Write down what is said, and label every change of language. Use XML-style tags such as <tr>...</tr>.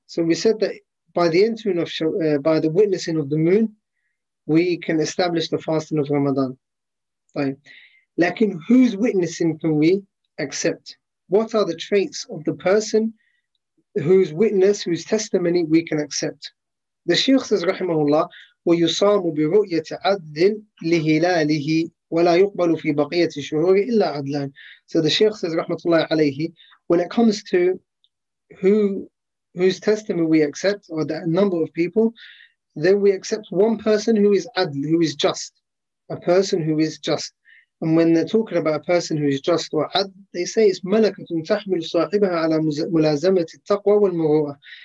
<en>So we said that by the entering of by the witnessing of the moon, we can establish the fasting of Ramadan. Right. Lakin, whose witnessing can we accept? What are the traits of the person whose witness, whose testimony we can accept? The Sheikh says,</en> <ar>Rahimahullah, وَيُصَامُ بِرُؤْيَةِ عَدْلٍ لِهِلَالِهِ وَلَا يُقْبَلُ فِي بَقِيَةِ شُهُورِ إِلَّا عَدْلًا.</ar> <en>So the Sheikh says, Rahmatullahi alayhi, when it comes to whose testimony we accept, or the number of people, then we accept one person who is adl, who is just. A person who is just. And when they're talking about a person who is just or adl, they say it's</en> <ar>مَلَكَةٌ تَحْمِلُ صَاحِبَهَا عَلَى مُلَازَمَةِ التَّقْوَى وَالْمُرُوءَةِ.</ar>